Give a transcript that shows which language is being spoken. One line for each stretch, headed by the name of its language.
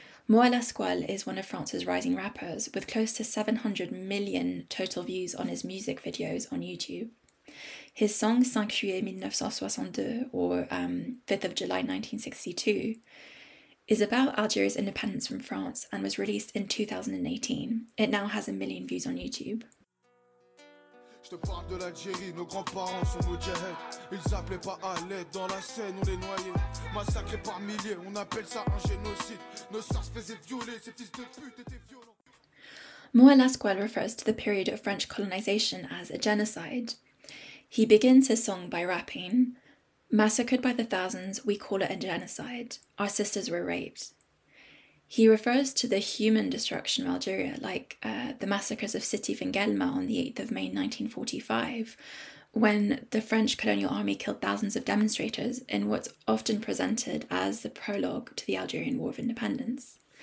English: Moi Lasquale is one of France's rising rappers, with close to 700 million total views on his music videos on YouTube. His song 5 juillet 1962, or 5th of July 1962, is about Algeria's independence from France and was released in 2018. It now has a million views on YouTube.
French: Je te parle de l'Algérie, nos grands-parents sont moudjahed. Ils appelaient pas à l'aide, dans la Seine on les noyait. Massacrés par milliers, on appelle ça un génocide. Nos sœurs se faisaient violer, ces fils de pute étaient violents.
English: Moi Lasquale refers to the period of French colonization as a genocide. He begins his song by rapping, "Massacred by the thousands, we call it a genocide. Our sisters were raped." He refers to the human destruction of Algeria, like the massacres of Sidi Fengelma on the 8th of May 1945, when the French colonial army killed thousands of demonstrators in what's often presented as the prologue to the Algerian War of Independence.